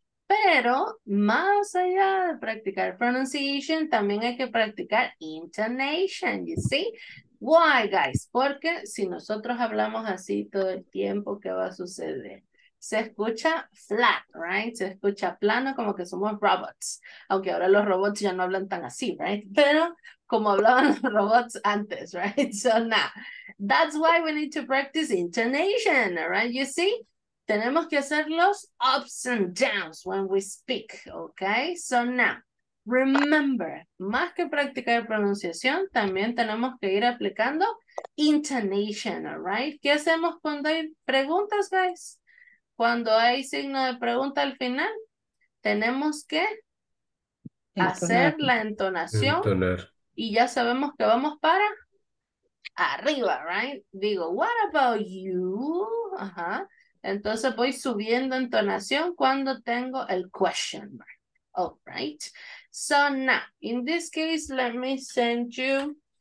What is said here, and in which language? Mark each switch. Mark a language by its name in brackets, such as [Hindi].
[Spanish] Pero más allá de practicar pronunciation, también hay que practicar intonation, [English] you see? Why, guys? [Spanish] Porque si nosotros hablamos así todo el tiempo, ¿qué va a suceder? Se escucha flat, right? Se escucha plano, como que somos robots. Aunque ahora los robots ya no hablan tan así, right? Pero como hablaban los robots antes, right? [English] So now, that's why we need to practice intonation, right? You see? [Spanish] Tenemos que hacer los [English] ups and downs when we speak, okay? So now, remember, [Spanish] más que practicar pronunciación, también tenemos que ir aplicando intonation, all right? ¿Qué hacemos cuando hay preguntas, guys? Cuando hay signo de pregunta al final, tenemos que entonar. Hacer la entonación. Entonar. Y ya sabemos que vamos para arriba, right? [English] Digo, what about you? Ajá. [Spanish] Entonces voy subiendo entonación cuando tengo el question mark. [English] All right. So now, in this case, let me send you.